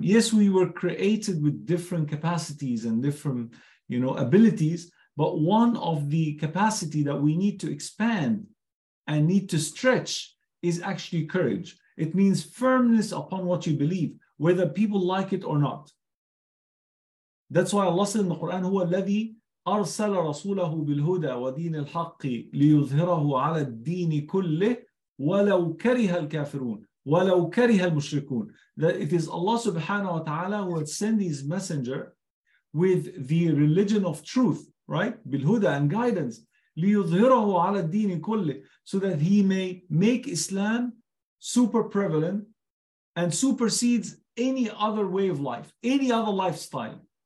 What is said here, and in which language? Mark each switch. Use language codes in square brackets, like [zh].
[en] Yes, we were created with different capacities and different, you know, abilities, but one of the capacity that we need to expand and need to stretch is actually courage. It means firmness upon what you believe, whether people like it or not. That's why Allah said in the Quran, [ar] هو الذي أرسل رسوله بالهدى ودين الحق ليظهره على الدين كله ولو كره الكافرون ولو كره المشركون. [en] That it is Allah subhanahu wa ta'ala who had sent his messenger with the religion of truth, right? بالهدى and guidance. [ar] ليظهره على الدين كله. [en] So that he may make Islam super prevalent and supersedes any other way of life, any other lifestyle.